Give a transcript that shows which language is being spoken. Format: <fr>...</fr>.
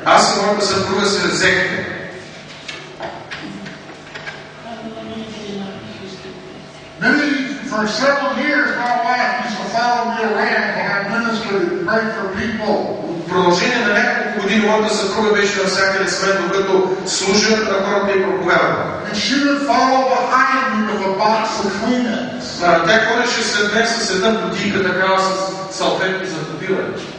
<bg>Аз и моята съпруга се взехме.</bg> <en>For several years my wife used to follow me around and I ministered and prayed for people.</en> <bg>В продължение на няколко години моята съпруга беше на всяка свет, докато служа на хората и проповядвам.</bg> <en>And she would follow behind me with a box of Kleenex.</en> <bg>Тя ходеше след мен с една бутилка, такава с салфетки за побиране.</bg>